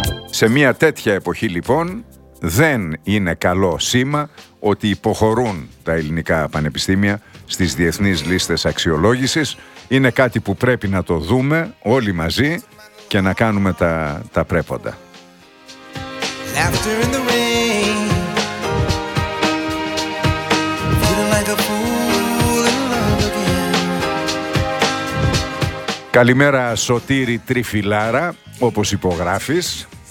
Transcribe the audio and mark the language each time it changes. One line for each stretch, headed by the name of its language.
Greek: Σε μια τέτοια εποχή λοιπόν δεν είναι καλό σήμα ότι υποχωρούν τα ελληνικά πανεπιστήμια στις διεθνείς λίστες αξιολόγησης. Είναι κάτι που πρέπει να το δούμε όλοι μαζί και να κάνουμε τα πρέποντα.
English: Laughter in the rain, feeling like a fool in love again.
Greek: Καλημέρα Σωτήρη Τριφυλάρα, όπως υπογράφεις.